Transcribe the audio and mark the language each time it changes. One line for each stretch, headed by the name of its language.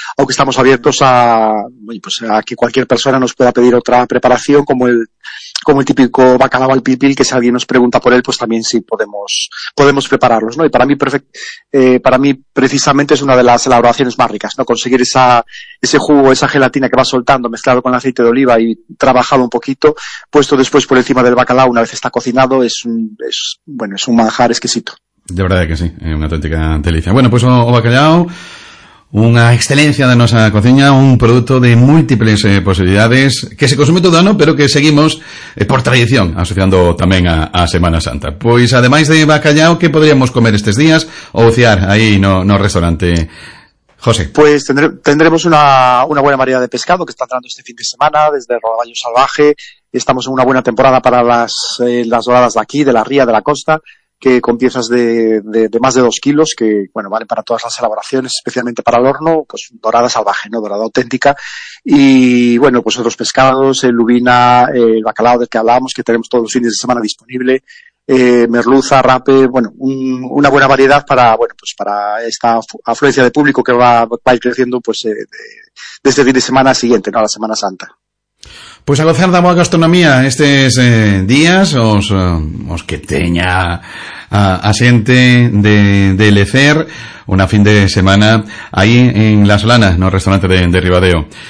Spanish: Aunque estamos abiertos a que cualquier persona nos pueda pedir otra preparación, como el típico bacalao al pipil, que si alguien nos pregunta por él, pues también sí podemos prepararlos, ¿no? Y para mí precisamente es una de las elaboraciones más ricas, ¿no? Conseguir ese jugo, esa gelatina que va soltando mezclado con el aceite de oliva y trabajado un poquito, puesto después por encima del bacalao una vez está cocinado, es un manjar exquisito. De verdad que sí, es una auténtica delicia.
Galician: Bueno, pues o bacalao, unha excelencia da nosa cociña, un produto de múltiples posibilidades que se consume todo ano, pero que seguimos por tradición, asociando tamén a Semana Santa. Pois, ademais de bacallao, que poderíamos comer estes días ou ociar aí no restaurante? José.
Spanish: Pues tendremos una buena variedad de pescado que está entrando este fin de semana desde Rodaballo Salvaje. Estamos en una buena temporada para las doradas de aquí, de la ría, de la costa, que con piezas de más de 2 kilos, que bueno, vale para todas las elaboraciones, especialmente para el horno, pues dorada salvaje, ¿no? Dorada auténtica. Y bueno, pues otros pescados, el lubina, el bacalao del que hablábamos, que tenemos todos los fines de semana disponible, merluza, rape, bueno, una buena variedad para esta afluencia de público que va a ir creciendo pues desde fin de semana siguiente, ¿no? A la Semana Santa.
Galician: Pues a gozar da boa gastronomía estes días, os que teña a xente de Lecer, unha fin de semana aí en La Solana, no restaurante de Ribadeo.